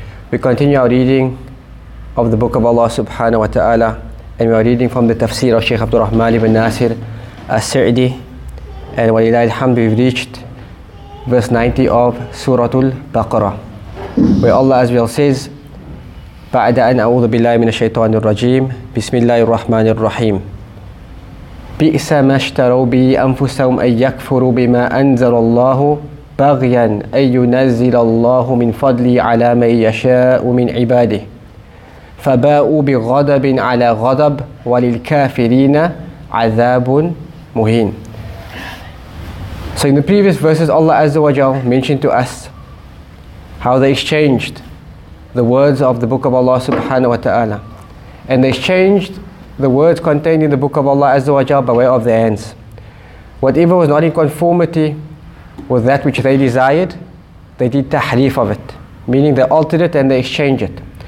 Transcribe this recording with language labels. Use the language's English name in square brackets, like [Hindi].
[English] We continue our reading of the book of Allah subhanahu wa ta'ala, and we are reading from the Tafseer of Shaykh Abdul Rahman ibn Nasir al-Sa'di. And walillahi alhamd, we've reached verse 90 of Surah al-Baqarah, where Allah as well says, [Arabic] بعد أن أعوذ بالله من الشيطان الرجيم بسم الله الرحمن الرحيم بئس ما اشتروا به أنفسهم أن يكفروا بما أنزل الله بغيا أن ينزل الله من فضله على من يشاء من عباده فباءوا بغضب على غضب وللكافرين عذاب مهين. [English] So in the previous verses, Allah Azza wa Jal mentioned to us how they exchanged the words of the book of Allah subhanahu wa ta'ala, and they changed the words contained in the book of Allah azza wa jalla by way of their hands. Whatever was not in conformity with that which they desired, they did tahrif of it, meaning they altered it and they exchanged it.